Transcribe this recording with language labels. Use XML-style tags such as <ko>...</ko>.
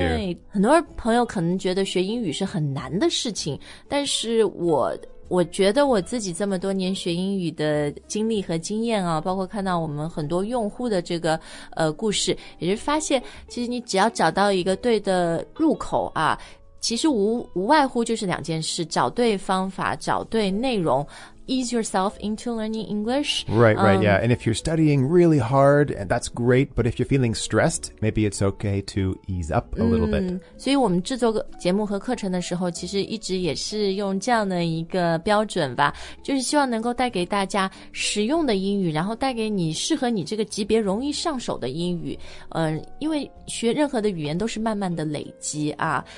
<zh>因为很多朋友可能觉得学英语是很难的事情，但是我觉得我自己这么多年学英语的经历和经验啊，包括看到我们很多用户的这个故事，也是发现其实你只要找到一个对的入口啊，其实无外乎就是两件事，找对方法，找对内容。</zh> <en>Ease yourself into learning English. Right, right, yeah. And if you're studying really hard, that's great. But if you're feeling stressed, maybe it's okay to ease up a little bit.</en> <zh>所以我们制作节目和课程的时候，其实一直也是用这样的一个标准吧，就是希望能够带给大家实用的英语，然后带给你适合你这个级别容易上手的英语。因为学任何的语言都是慢慢的累积啊。</zh>